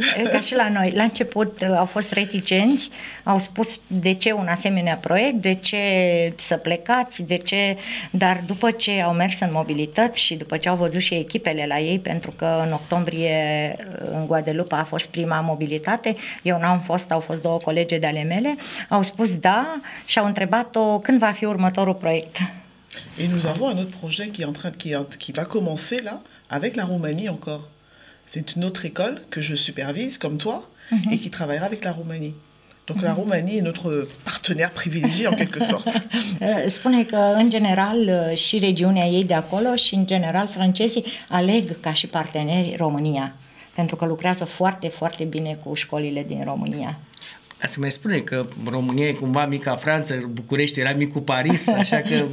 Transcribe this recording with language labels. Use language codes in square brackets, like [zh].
[ro] Ca și la noi, la început au fost reticenți, au spus de ce un asemenea proiect, de ce să plecați, de ce, dar după ce au mers în mobilități și după ce au văzut și echipele la ei, pentru că în octombrie în Guadeloupe a fost prima mobilitate, eu n-am fost, au fost 2 colege de ale mele, au spus da și au întrebat-o când va fi următorul proiect. [fr] Et nous avons un autre projet qui va commencer là avec la Roumanie encore. C'est une autre école que je supervise, comme toi, et qui travaillera avec la Roumanie. Donc la Roumanie est notre partenaire privilégié, en quelque sorte. [ro] Spune că, în general, și regiunea ei de acolo și, în general, francezii aleg ca și parteneri România, pentru că lucrează foarte, foarte bine cu școlile din România. Se mai spune că România e cumva mica Franță, București era micul Paris, așa că...